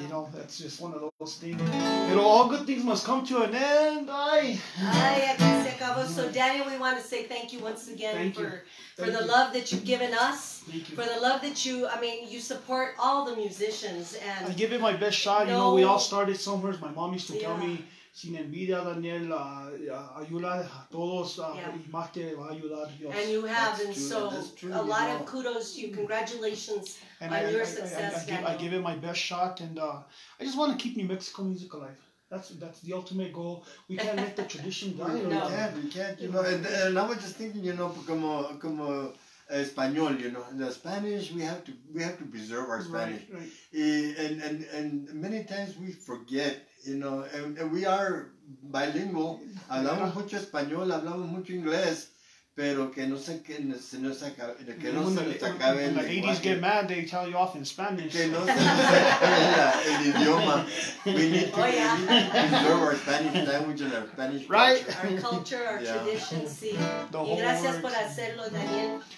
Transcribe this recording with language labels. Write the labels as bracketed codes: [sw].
[en] You know, that's just one of those things. You know, all good things must come to an end. Ay, [es] aquí se acabó. [en] So, Daniel, we want to say thank you once again for the love that you've given us. Thank you. For the love that you support all the musicians. And I give it my best shot. You know, we all started somewhere. My mom used to tell me, [es] sin envidia, Daniel, ayuda a todos, y más te va a ayudar Dios. [en] And you have, that's true, of kudos to you. Congratulations and on your success. I give it my best shot, and I just want to keep New Mexico music alive. That's the ultimate goal. We can't let the tradition die. We can't. You know, and I was just thinking, you know, [es] como español, [en] you know, in the Spanish, we have to preserve our Spanish. Right. And many times we forget. You know, and we are bilingual. [es] Hablamos mucho español, hablamos mucho inglés, pero que no se que no se nos acabe que no se nos acabe el idioma. [en] The 80s get mad, they tell you off in Spanish. [es] Que no se nos acabe el idioma. [en] We need to preserve our Spanish language and our Spanish right. culture, our tradition. [es] Sí. Y gracias por hacerlo, Daniel.